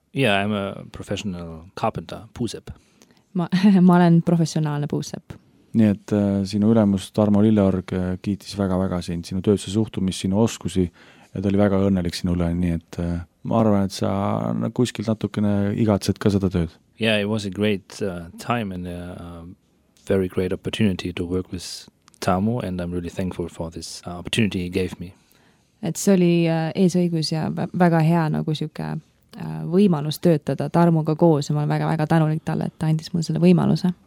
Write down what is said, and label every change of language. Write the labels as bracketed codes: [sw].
[en] Yeah, I'm a professional carpenter, puusepp. [et] Ma olen professionaalne puusepp. Nii et sinu ülemus Tarmo Lilleorg kiitis väga-väga sind sinu töötse suhtumis, sinu oskusi ja ta oli väga õnnelik sinule, nii et ma arvan, et sa kuskilt natukene igatsed ka seda tööd. [en] Yeah, it was a great time and a very great opportunity to work with Tarmo and I'm really thankful for this opportunity he gave me. [et] Et see oli eesõigus ja väga hea nagu siuke võimalus töötada Tarmuga koos ja ma olen väga-väga tänulik talle, et ta andis mul selle võimaluse.